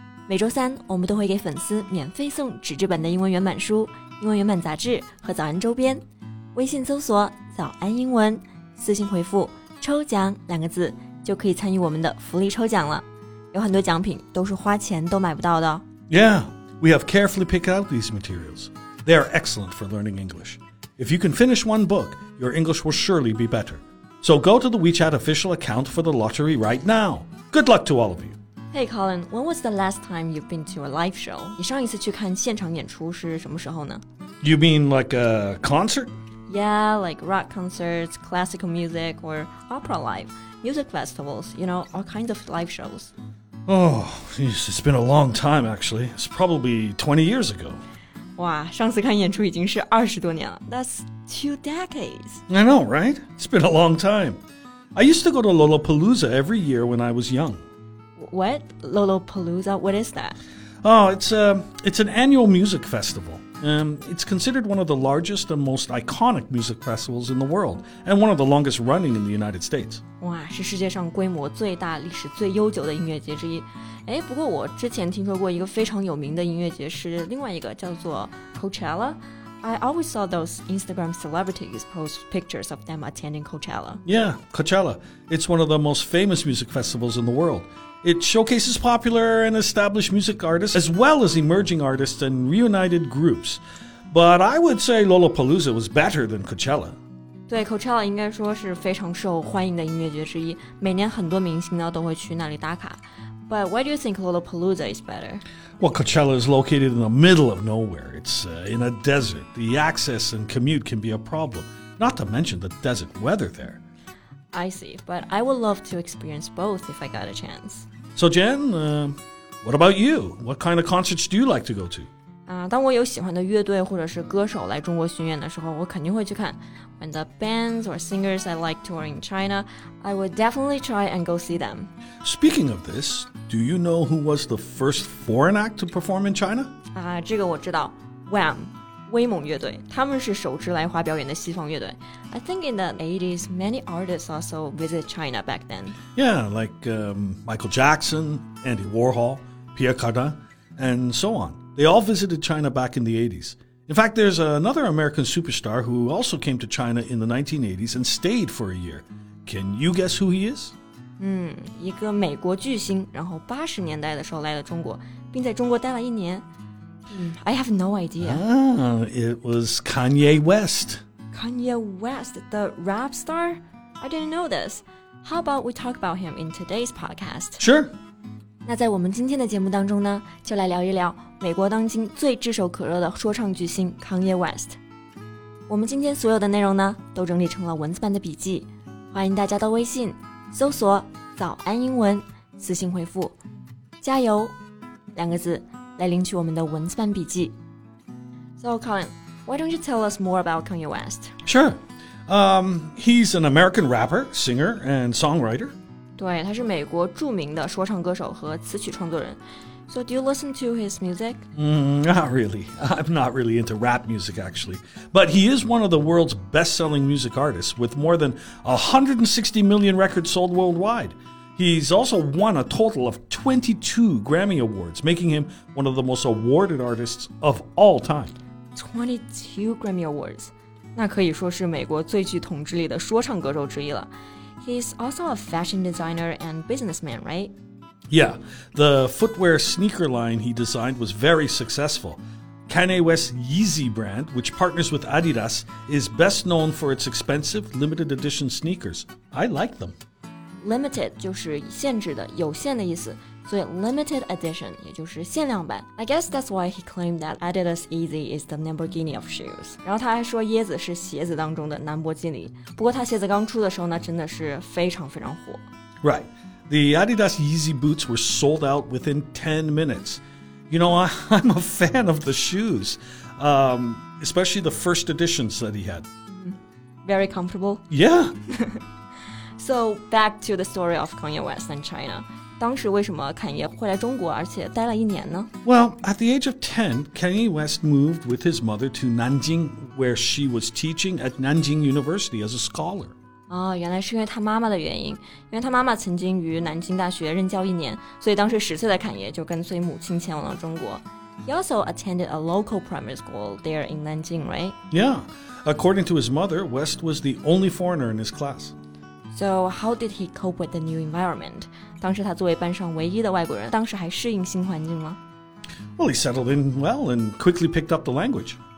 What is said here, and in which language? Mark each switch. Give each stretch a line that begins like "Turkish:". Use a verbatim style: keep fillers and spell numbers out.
Chinese: 每周三我们都会给粉丝免费送纸质版的英文原版书、英文原版杂志和早安周边。微信搜索早安英文，私信回复抽奖两个字就可以参与我们的福利抽奖了。有很多奖品都是花钱都买不到的哦。
English: Yeah, we have carefully picked out these materials. They are excellent for learning English. If you can finish one book, your English will surely be better. So go to the WeChat official account for the lottery right now. Good luck to all of you. Hey Colin, when was the last time you've been to a live show?
Chinese: 你上一次去看现场演出是什么时候呢？
English: You mean like a concert? Yeah, like rock concerts, classical music, or opera live, music festivals, you know, all kinds of live shows. Oh, geez, it's been a long time actually. It's probably twenty years ago.
Chinese: 哇，上次看演出已经是二十多年了。
English: That's two decades. I know, right? It's been a long time. I used to go to Lollapalooza every year when I was young. What? Lollapalooza? What is that? Oh, it's a it's an annual music festival. Um, it's considered one of the largest and most iconic music festivals in the world, and one of the longest running in the United States.
Chinese: 哇，是世界上规模最大、历史最悠久的音乐节之一。哎，不过我之前听说过一个非常有名的音乐节是另外一个叫做 Coachella.
English: I always saw those Instagram celebrities post pictures of them attending Coachella. Yeah, Coachella. It's one of the most famous music festivals in the world. It showcases popular and established music artists as well as emerging artists and reunited groups. But I would say Lollapalooza was better than Coachella.
Chinese: 对 Coachella 应该说是非常受欢迎的音乐节之一，每年很多明星呢都会去那里打卡。
English: But why do you think Lollapalooza is better? Well, Coachella is located in the middle of nowhere. It's uh, in a desert. The access and commute can be a problem, not to mention the desert weather there. I see, but I would love to experience both if I got a chance. So Jen, uh, what about you? What kind of concerts do you like to go to?
Chinese: Uh, 当我有喜欢的乐队或者是歌手来中国巡演的时候，我肯定会去看。
English: When the bands or singers I like tour in China, I would definitely try and go see them. Speaking of this, do you know who was the first foreign act to perform in China?
Chinese: 啊、uh, ，这个我知道 ，Wham， 威猛乐队，他们是首支来华表演的西方乐队。
English: I think in the eighties, many artists also visit China back then. Yeah, like、um, Michael Jackson, Andy Warhol, Pierre Cardin, and so on. They all visited China back in the eighties. In fact, there's another American superstar who also came to China in the nineteen eighties and stayed for a year. Can you guess who he is?
Chinese: 嗯，一个美国巨星，然后八十年代的时候来了中国，并在中国待了一年。
English: 嗯 I have no idea. Ah, it was Kanye West. Kanye West, the rap star? I didn't know this. How about we talk about him in today's podcast? Sure.
Chinese: 那在我们今天的节目当中呢，就来聊一聊美国当今最炙手可热的说唱巨星 Kanye West。我们今天所有的内容呢，都整理成了文字版的笔记，欢迎大家到微信搜索“早安英文”，私信回复“加油”两个字来领取我们的文字版笔记。
English: So Colin, why don't you tell us more about Kanye West? Sure. Um, he's an American rapper, singer, and songwriter.
Chinese: 对，他是美国著名的说唱歌手和词曲创作人。
English: So do you listen to his music? Mm, not really. I'm not really into rap music, actually. But he is one of the world's best-selling music artists, with more than one hundred sixty million records sold worldwide. He's also won a total of twenty-two Grammy Awards, making him one of the most awarded artists of all time. twenty-two Grammy Awards.
Chinese: 那可以说是美国最具统治力的说唱歌手之一了。
English: He's also a fashion designer and businessman, right? Yeah, the footwear sneaker line he designed was very successful. Kanye West's Yeezy brand, which partners with Adidas, is best known for its expensive, limited edition sneakers. I like them.
Chinese: Limited 就是限制的、有限的意思，所以 limited edition 也就是限量版。
English: I guess that's why he claimed that Adidas Yeezy is the Lamborghini of shoes.
Chinese: 然后他还说椰子是鞋子当中的兰博基尼。不过他鞋子刚出的时候呢，真的是非常非常火。
English: Right, the Adidas Yeezy boots were sold out within ten minutes. You know, I, I'm a fan of the shoes, um, especially the first editions that he had. Very comfortable. Yeah. So back to the story of Kanye West and China.
Chinese: 当时为什么坎爷会来中国，而且待了一年呢？
English: Well, at the age of ten, Kanye West moved with his mother to Nanjing, where she was teaching at Nanjing University as a scholar.
Chinese: 哦，原来是因为他妈妈的原因，因为他妈妈曾经于南京大学任教一年，所以当时十岁的坎爷就跟随母亲前往了中国。
English: He also attended a local primary school there in Nanjing, right? Yeah. According to his mother, West was the only foreigner in his class. So how did he cope with the new environment?
Chinese: 当时他作为班上唯一的外国人，当时还适应新环境吗？
English: Well, he settled in well and quickly picked up the language.